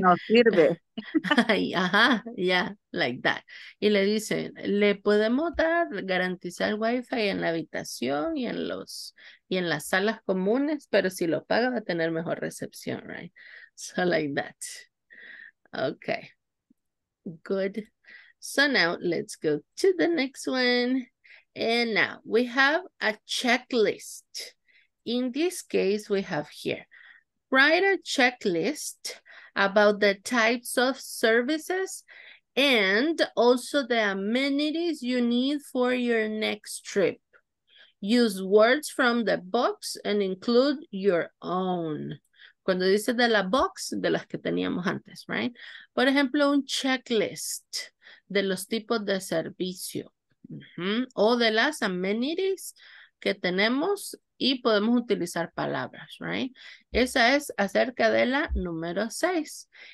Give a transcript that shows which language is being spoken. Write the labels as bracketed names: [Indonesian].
[Spanish] no sirve. Ay, ajá, ya, [English] yeah, like that. [Spanish] Y le dicen, ¿le podemos dar garantizar wifi en la habitación y en los y en las salas comunes? Pero si lo paga va a tener mejor recepción, right? [English] So like that. Okay. Good. So now let's go to the next one. And now we have a checklist. In this case, we have here, write a checklist about the types of services and also the amenities you need for your next trip. Use words from the box and include your own. [Spanish] Cuando dice de la box, de las que teníamos antes, right? Por ejemplo, un checklist de los tipos de servicio. Mm-hmm. O de las amenities que tenemos. Y podemos utilizar palabras, right? Esa es acerca de la número 6.